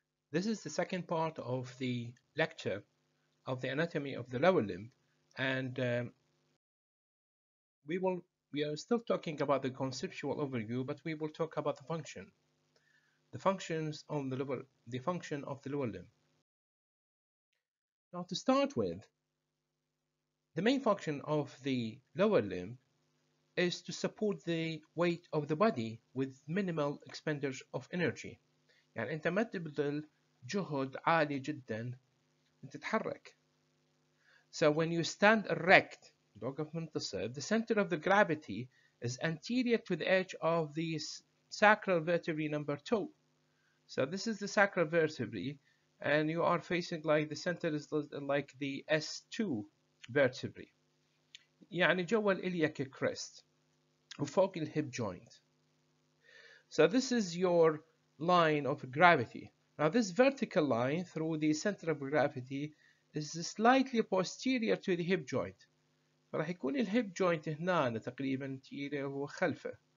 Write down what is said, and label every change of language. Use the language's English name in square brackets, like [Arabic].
[English] This is the second part of the lecture of the anatomy of the lower limb, and we are still talking about the conceptual overview, but we will talk about the function, the function of the lower limb. Now, to start with, the main function of the lower limb is to support the weight of the body with minimal expenditure of energy. [Arabic] يعني أنت ما تبذل جهد عالي جدا لتتحرك. [English] So when you stand erect, [Arabic] توقف منتصب, [English] the center of the gravity is anterior to the edge of the sacral vertebrae number 2. So this is the sacral vertebrae, and you are facing like the center is like the S2 vertebrae. [Arabic] يعني جوا الإليك كريست وفوق الهيب جوينت. [English] So this is your line of gravity. Now this vertical line through the center of gravity is slightly posterior to the hip joint. [Arabic] فراح يكون الهيب جوينت هنا تقريبا anterior وخلفه.